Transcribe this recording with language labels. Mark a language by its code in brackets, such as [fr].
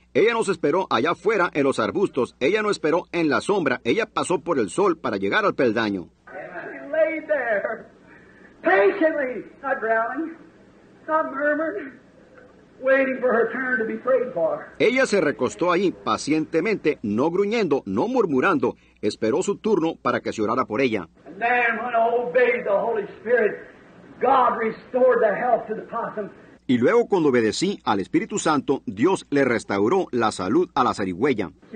[es] Ella nos esperó allá afuera en los arbustos. Ella no esperó en la sombra. Ella pasó por el sol para llegar al peldaño. [en] She lay there, patiently, not growling, not murmuring, waiting for her turn to be prayed for. [es] Ella se recostó ahí pacientemente, no gruñendo, no murmurando. Esperó su turno para que se orara por ella. [en] And then when I obeyed the Holy Spirit, God restored the health to the possum. [es] Y luego, cuando obedecí al Espíritu Santo, Dios le restauró la salud a la zarigüeya.